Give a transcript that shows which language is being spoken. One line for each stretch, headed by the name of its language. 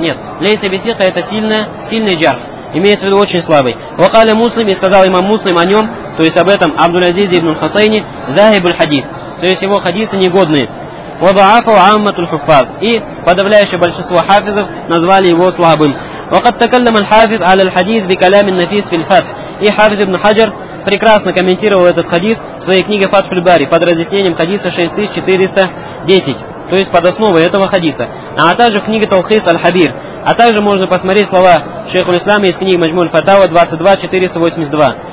Russian: Нет, «лейса бисиха» это сильный джарх, имеется в виду очень слабый. «Вакаля муслим», и сказал имам муслим о нем, то есть об этом Абдул-Азиз ибн Хусейни, «захибуль хадис», то есть его хадисы негодные.
Arabic: وضعفه عامة الحفاظ
Russian: и подавляющее большинство хафизов назвали его слабым.
Arabic: وقد تكلم الحافظ على الحديث بكلام النفيس في الفتح.
Russian: И хафиз ибн Хаджар прекрасно комментировал этот хадис в своей книге Фатхуль Бари под разъяснением хадиса 6410, то есть под основой этого хадиса. А также в книге Талхис аль-Хабир. А также можно посмотреть слова шейху ислама из книги Маджмуль Фатава 22482.